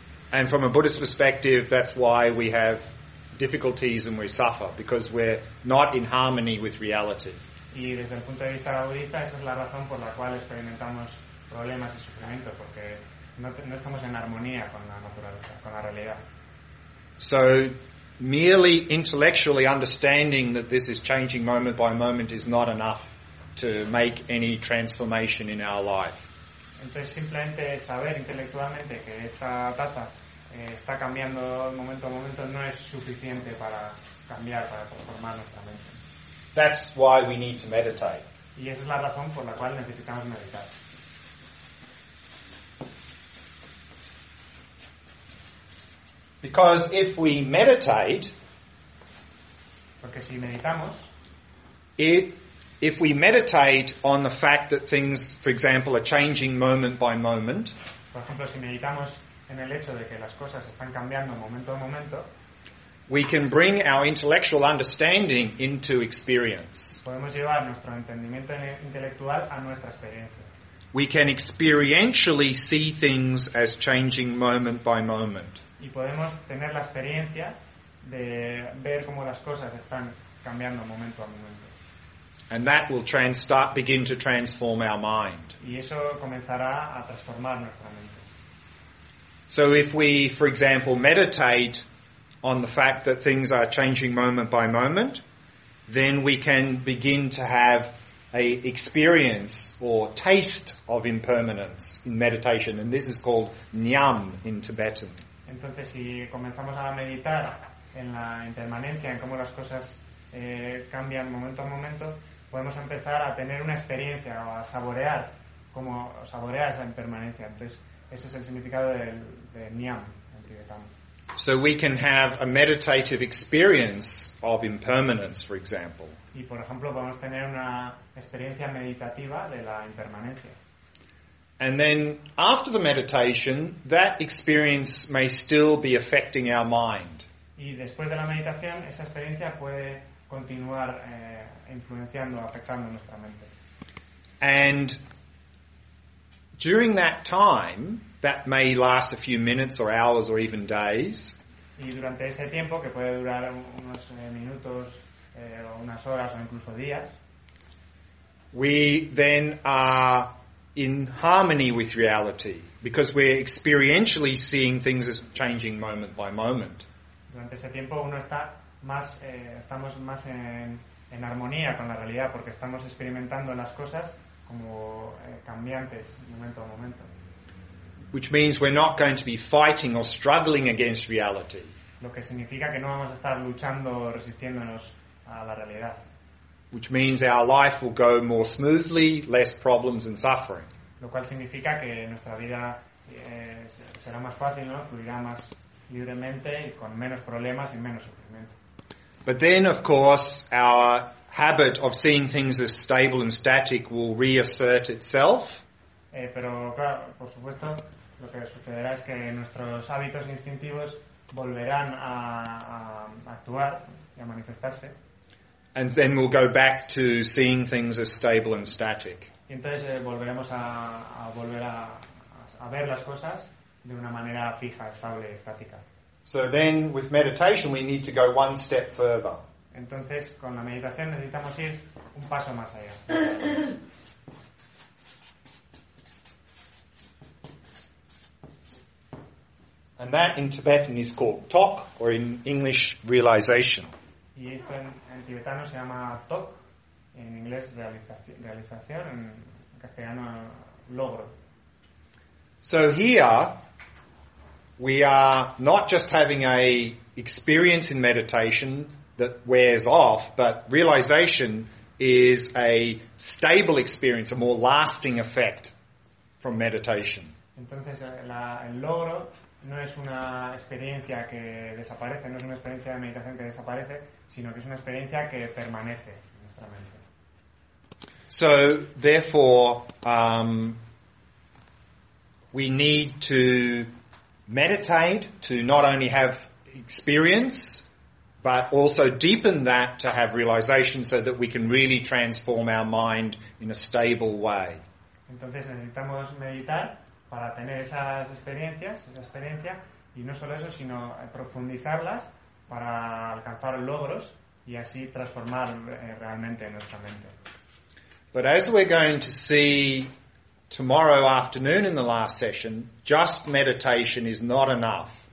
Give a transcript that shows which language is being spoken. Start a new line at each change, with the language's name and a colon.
English: And from a Buddhist perspective, that's why we have difficulties and we suffer, because we're not in harmony with reality.
Spanish: Y desde el punto de vista budista, esa es la razón por la cual experimentamos problemas y sufrimiento, porque no estamos en armonía con la naturaleza, con la realidad.
English: So merely intellectually understanding that this is changing moment by moment is not enough to make any transformation in our life.
Spanish: Entonces simplemente saber intelectualmente que esta tasa está cambiando momento a momento no es suficiente para cambiar, para transformar nuestra mente.
English: That's why we need to meditate.
Spanish: Y esa es la razón por la cual necesitamos meditar.
English: Because if we meditate,
Spanish: porque si meditamos,
English: if we meditate on the fact that things, for example, are changing moment by moment,
Spanish: por ejemplo, si meditamos en el hecho de que las cosas están cambiando momento a momento,
English: we can bring our intellectual understanding into experience.
Spanish: Podemos llevar nuestro entendimiento intelectual a nuestra experiencia.
English: We can experientially see things as changing moment by moment.
Spanish: Y podemos tener la experiencia de ver cómo las cosas están cambiando momento a momento.
English: And that will begin to transform our mind.
Spanish: Y eso comenzará a transformar nuestra mente.
English: So if we, for example, meditate on the fact that things are changing moment by moment, then we can begin to have a experience or taste of impermanence in meditation, and this is called nyam in Tibetan.
Spanish: Entonces, si comenzamos a meditar en la impermanencia, en cómo las cosas cambian momento a momento, podemos empezar a tener una experiencia o a saborear cómo saborear esa impermanencia. Entonces, ese es el significado de nyam en tibetano.
English: So we can have a meditative experience of impermanence, for example.
Spanish: Y por ejemplo, podemos tener una experiencia meditativa de la impermanencia.
English: And then after the meditation, that experience may still be affecting our mind.
Spanish: Y después de la meditación, esa experiencia puede continuar influenciando, afectando nuestra mente.
English: And during that time, that may last a few minutes or hours or even days.
Spanish: Y durante ese tiempo, que puede durar unos minutos, o unas horas o incluso días,
English: we then are in harmony with reality, because we're experientially seeing things as changing moment by moment.
Spanish: Durante ese tiempo uno está más, estamos más en armonía con la realidad, porque estamos experimentando las cosas como cambiantes momento a momento.
English: Which means we're not going to be fighting or struggling against reality.
Spanish: Lo que significa que no vamos a estar luchando o resistiéndonos a la realidad.
English: Which means our life will go more smoothly, less problems and suffering.
Spanish: Lo cual significa que nuestra vida será más fácil, ¿no? Fluirá más libremente y con menos problemas y menos sufrimiento.
English: But then, of course, our habit of seeing things as stable and static will reassert itself.
Spanish: Pero claro, por supuesto, lo que sucederá es que nuestros hábitos instintivos volverán a actuar y a manifestarse.
English: And then we'll go back to seeing things as stable and static.
Spanish: Y entonces volveremos a volver a ver las cosas de una manera fija, estable, estática.
English: So then with meditation we need to go one step further.
Spanish: Entonces con la meditación necesitamos ir un paso más allá.
English: And that in Tibetan is called tok, or in English, realization.
Spanish: Y esto en tibetano se llama tok, en inglés realización, en castellano logro.
English: So here we are not just having a experience in meditation that wears off, but realization is a stable experience, a more lasting effect from meditation.
Spanish: Entonces el logro no es una experiencia que desaparece, no es una experiencia de meditación que desaparece, sino que es una experiencia que permanece en nuestra mente.
English: So, therefore, we need to meditate to not only have experience, but also deepen that to have realization so that we can really transform our mind in a stable way.
Spanish: Entonces necesitamos meditar para tener esas experiencias, esa experiencia, y no solo eso, sino profundizarlas para alcanzar logros y así transformar realmente nuestra mente.
English: But as we're going to see tomorrow afternoon in the last session, just meditation is not enough.